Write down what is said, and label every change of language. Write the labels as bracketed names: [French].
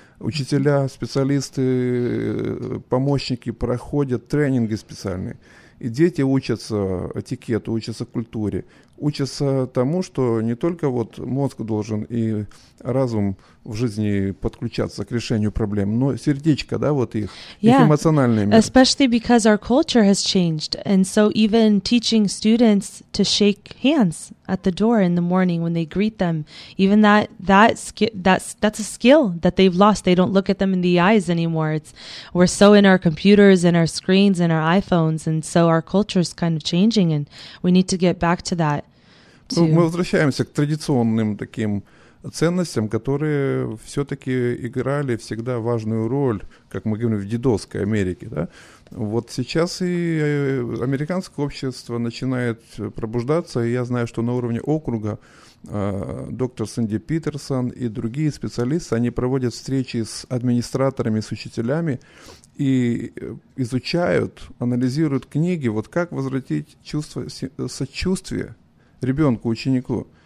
[Russian] Учителя, специалисты, помощники проходят тренинги специальные. И дети учатся этикету, учатся культуре, учатся тому, что не только вот мозг должен и разум в жизни подключаться к решению проблем, но сердечко, да, вот их, их эмоциональный мир. [English] Especially because our culture has changed, and so even teaching students to shake hands at the door in the morning when they greet them, even that's a skill that they've lost. They don't look at them in the eyes anymore. We're so in our computers and our screens and our iPhones, and so our culture is kind of changing, and we need to get back to that. [Russian] Мы возвращаемся к традиционным таким ценностям, которые все-таки играли всегда важную роль, как мы говорим, в дедовской Америке. Да? Вот сейчас и американское общество начинает пробуждаться, и я знаю, что на уровне округа доктор Синди Питерсон и другие специалисты, они проводят встречи с администраторами, с учителями и изучают, анализируют книги, вот как возвратить чувство сочувствия ребенку, ученику,